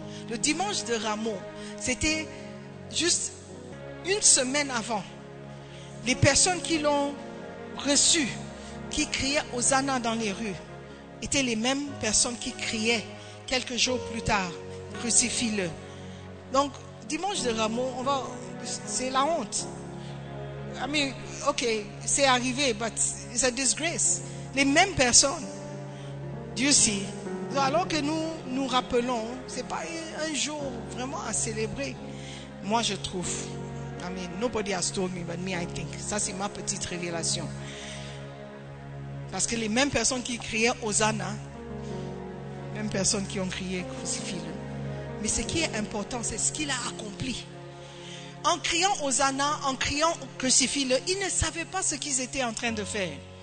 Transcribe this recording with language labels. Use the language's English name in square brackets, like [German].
[French] Le dimanche de Rameau, c'était juste une semaine avant. Les personnes qui l'ont reçu, qui criaient Hosanna dans les rues, étaient les mêmes personnes qui criaient quelques jours plus tard, crucifie-le. Donc, dimanche de Rameau, c'est la honte. [English] I mean, ok, [French] c'est arrivé, [English] but it's a disgrace. [French] Les mêmes personnes, Dieu sait. Alors que nous nous rappelons, ce n'est pas un jour vraiment à célébrer, moi je trouve. [English] I mean, nobody has told me, but me, I think. [French] Ça, c'est ma petite révélation. Parce que les mêmes personnes qui criaient Hosanna, mêmes personnes qui ont crié crucifie-le. Mais ce qui est important, c'est ce qu'il a accompli. En criant Hosanna, en criant crucifie-le, ils ne savaient pas ce qu'ils étaient en train de faire.